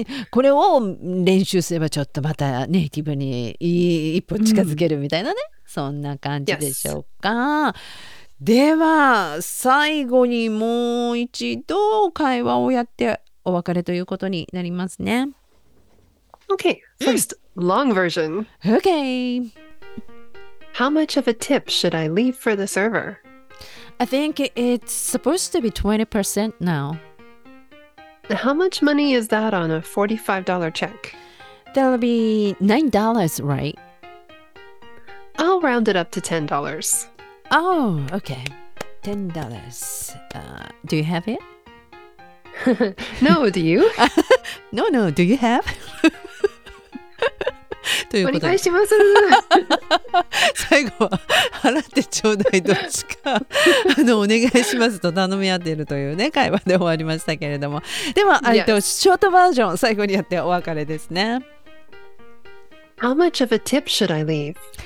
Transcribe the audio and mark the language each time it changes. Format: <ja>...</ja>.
<ja>これを練習すればちょっとまたネイティブに一歩近づけるみたいなね。そんな感じでしょうか。</ja> <en>Yes.</en> <ja>では最後にもう一度会話をやってお別れということになりますね。</ja> <en>Okay. First, long version. Okay. How much of a tip should I leave for the server? I think it's supposed to be 20% now. How much money is that on a $45 check? That'll be $9, right? I'll round it up to $10. Oh, okay. $10. Do you have it? No, do you? No, do you have?</en> <ja>お願いします。最後は払ってちょうだいどっちかお願いしますと頼み合っているというね会話で終わりましたけれども、では、</ja> <en>yes.</en> <ja>ショートバージョン最後にやってお別れですね。</ja> <en>How much of a tip should I leave?</en>